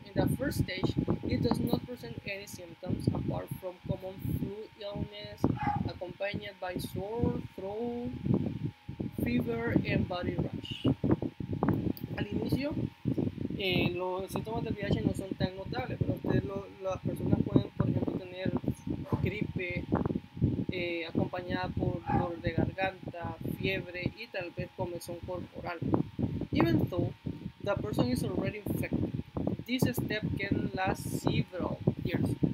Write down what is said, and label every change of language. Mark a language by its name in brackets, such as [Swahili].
[English] In the first stage, it does not present any symptoms apart from common flu illness accompanied by sore throat, fever, and body rash. [Spanish] Al inicio, los síntomas del VIH no son tan notables, pero las personas pueden, por ejemplo, tener gripe acompañada por dolor de garganta, fiebre y tal vez comezón corporal. [English] Even though the person is already infected, this step can last several years.